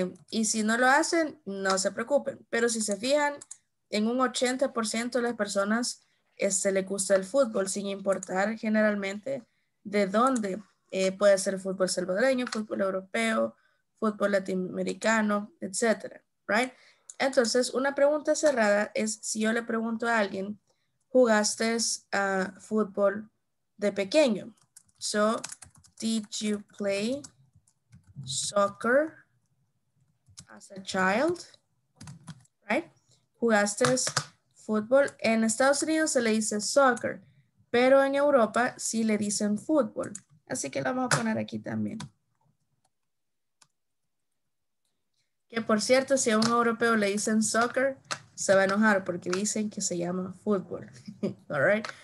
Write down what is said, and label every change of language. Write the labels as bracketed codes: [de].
[es] Y si no lo hacen, no se preocupen. Pero si se fijan, en un 80% de las personas les gusta el fútbol, sin importar generalmente de dónde Puede ser fútbol salvadoreño, fútbol europeo, fútbol latinoamericano, etc. Right? Entonces, una pregunta cerrada es si yo le pregunto a alguien, ¿jugaste fútbol de pequeño? [en] So, did you play soccer as a child? [es] Right? ¿Jugaste fútbol? En Estados Unidos se le dice soccer, pero en Europa sí le dicen fútbol. Así que lo vamos a poner aquí también. Que por cierto, si a un europeo le dicen soccer, se va a enojar porque dicen que se llama fútbol. [en] All right.